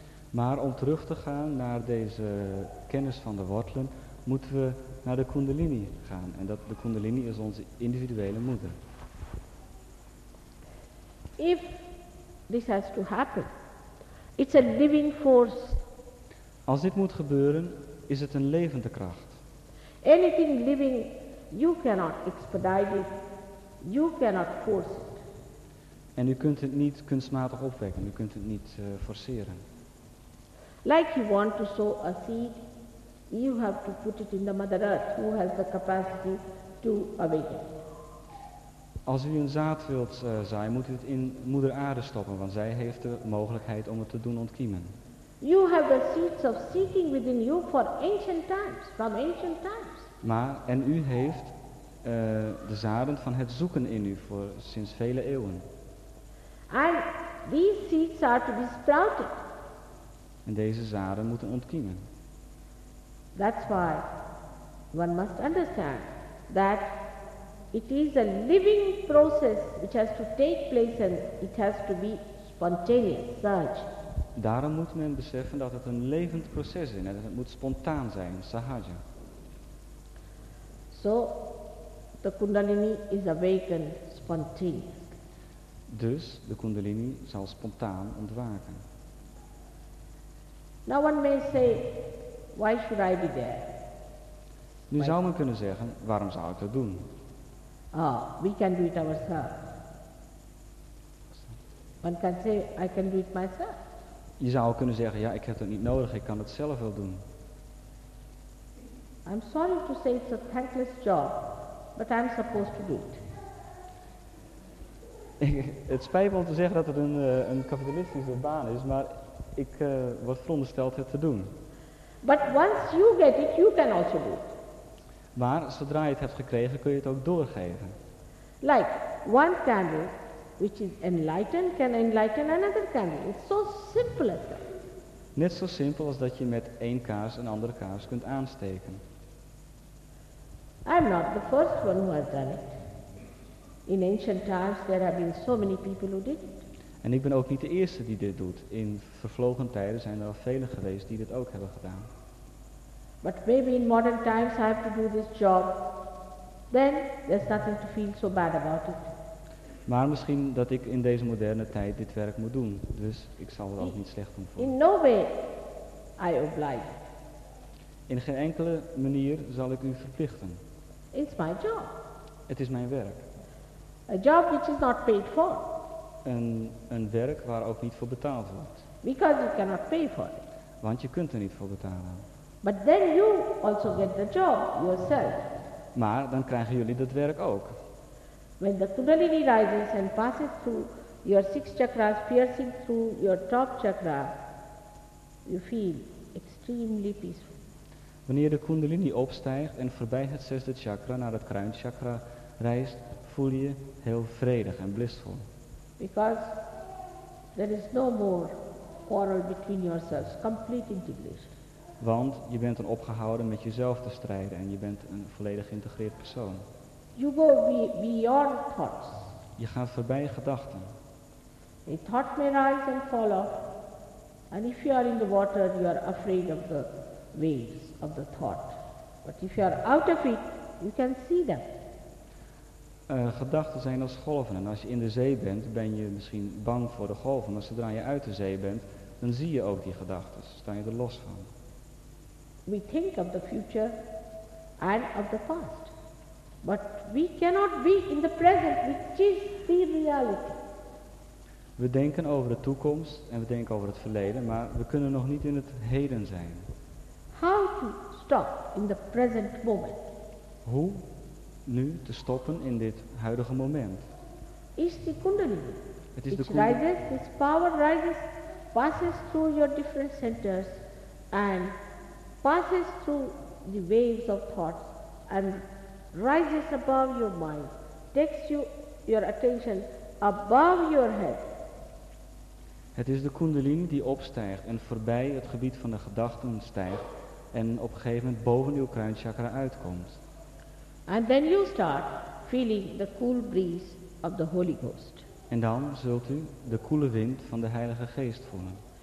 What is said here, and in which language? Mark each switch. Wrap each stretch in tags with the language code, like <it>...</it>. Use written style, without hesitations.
<nl>Maar om terug te gaan naar deze kennis van de wortelen, moeten we naar de Kundalini gaan. En dat de Kundalini is onze individuele moeder.</nl> <en>If this has to happen, it's a living force.</en> <nl>Als dit moet gebeuren, is het een levende kracht.</nl> <en>Anything living, you cannot expedite it, you cannot force it.</en> <nl>En u kunt het niet kunstmatig opwekken, u kunt het niet forceren.</nl> <en>Like you want to sow a seed, you have to put it in the Mother Earth, who has the capacity to awaken.</en> <nl>Als u een zaad wilt zaaien, moet u het in Moeder Aarde stoppen, want zij heeft de mogelijkheid om het te doen ontkiemen.</nl> <en>You have the seeds of seeking within you for ancient times, from ancient times.</en> <nl>Maar, en u heeft de zaden van het zoeken in u voor sinds vele eeuwen.</nl> <en>And these seeds are to be sprouted.</en> <nl>En deze zaden moeten ontkiemen.</nl> <en>That's why one must understand that it is a living process which has to take place and it has to be spontaneous, sahaja.</en> <nl>Daarom moet men beseffen dat het een levend proces is en dat het moet spontaan zijn, sahaja.</nl> <en>So, the Kundalini is awakened spontaneously.</en> <nl>Dus de Kundalini zal spontaan ontwaken.</nl> <en>Now one may say, why should I be there?</en> <nl>Nu zou men kunnen zeggen, waarom zou ik dat doen?</nl> <en>Ah, we can do it ourselves. One can say, I can do it myself.</en> <nl>Je zou kunnen zeggen, ja, ik heb het niet nodig, ik kan het zelf wel doen.</nl> <en>I'm sorry to say it's a thankless job, but I'm supposed to do it.</en> <nl>Het spijt me om te zeggen dat het een kapitalistische baan is, maar ik word verondersteld het te doen.</nl> <en>But once you get it, you can also do it.</en> <nl>Maar zodra je het hebt gekregen, kun je het ook doorgeven.</nl> <en>Like one candle, which is enlightened, can enlighten another candle. It's so simple as that.</en> <nl>Net zo simpel als dat je met één kaars een andere kaars kunt aansteken.</nl> <en>I'm not the first one who has done it. In ancient times, there have been so many people who did it.</en> <nl>En ik ben ook niet de eerste die dit doet. In vervlogen tijden zijn er al velen geweest die dit ook hebben gedaan.</nl> <en>But maybe in modern times I have to do this job. Then there's nothing to feel so bad about it.</en> <nl>Maar misschien dat ik in deze moderne tijd dit werk moet doen. Dus ik zal er ook niet slecht om voelen.</nl> <en>In no way I oblige.</en> <nl>In geen enkele manier zal ik u verplichten.</nl> <en>It's my job.</en> <nl>Het is mijn werk.</nl> <en>A job which is not paid for.</en> <nl>Een werk waar ook niet voor betaald wordt.</nl> <en>Because you cannot pay for it.</en> <nl>Want je kunt er niet voor betalen.</nl> <en>But then you also get the job yourself.</en> <nl>Maar dan krijgen jullie dat werk ook.</nl> <en>When the kundalini rises and passes through your six chakras, piercing through your top chakra, you feel extremely peaceful.</en> <nl>Wanneer de kundalini opstijgt en voorbij het zesde chakra naar het kruinchakra reist, voel je heel vredig en blissvol.</nl> <en>Because there is no more quarrel between yourselves, complete integration.</en> <nl>Want je bent dan opgehouden met jezelf te strijden en je bent een volledig geïntegreerd persoon.</nl> <en>You go beyond thoughts.</en> <nl>Je gaat voorbij je gedachten.</nl> <en>A thought may rise and fall off. And if you are in the water, you are afraid of the waves of the thought. But if you are out of it, you can see them.</en> <nl>Gedachten zijn als golven. En als je in de zee bent, ben je misschien bang voor de golven. Maar zodra je uit de zee bent, dan zie je ook die gedachten. Sta je er los van.</nl> <en>We think of the future and of the past. But we cannot be in the present, which is the reality.</en> <nl>We denken over de toekomst en we denken over het verleden, maar we kunnen nog niet in het heden zijn.</nl> <en>How to stop in the present moment?</en> <nl>Hoe nu te stoppen in dit huidige moment?</nl> <en>Is the kundalini.</en> <nl>Het is</nl> <en>which rises, its power rises, passes through your different centers and passes through the waves of thoughts and rises above your mind, takes you your attention above your head.</en> <nl>Het is de kundalini die opstijgt en voorbij het gebied van de gedachten stijgt en op een gegeven moment boven uw kruinchakra uitkomt.</nl> <en>And then you start feeling the cool breeze of the Holy Ghost.</en> <nl>En dan zult u de koele wind van de Heilige Geest voelen.</nl>